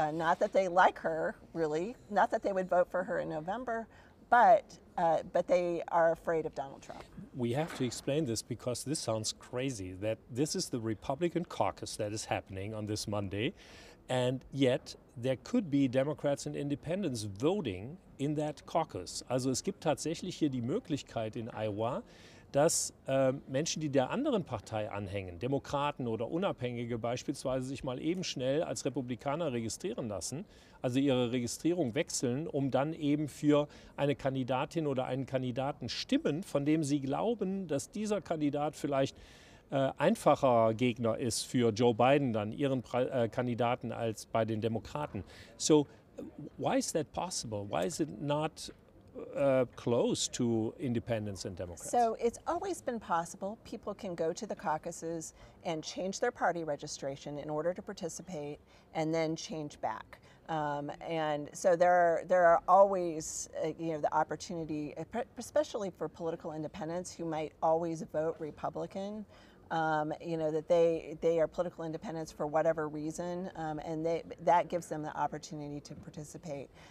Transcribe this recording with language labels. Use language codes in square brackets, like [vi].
[en] Not that they like her, really, not that they would vote for her in November, but they are afraid of Donald Trump. We have to explain this because this sounds crazy, that this is the Republican caucus that is happening on this Monday, and yet there could be Democrats and Independents voting in that caucus. [de] Also es gibt tatsächlich hier die Möglichkeit in Iowa, dass Menschen, die der anderen Partei anhängen, Demokraten oder Unabhängige beispielsweise, sich mal eben schnell als Republikaner registrieren lassen, also ihre Registrierung wechseln, um dann eben für eine Kandidatin oder einen Kandidaten stimmen, von dem sie glauben, dass dieser Kandidat vielleicht einfacher Gegner ist für Joe Biden, dann ihren Kandidaten, als bei den Demokraten. [en] So, why is that possible? Why is it not close to independents and Democrats? So it's always been possible. People can go to the caucuses and change their party registration in order to participate and then change back. And so there are always the opportunity, especially for political independents who might always vote Republican, that they are political independents for whatever reason, and that gives them the opportunity to participate.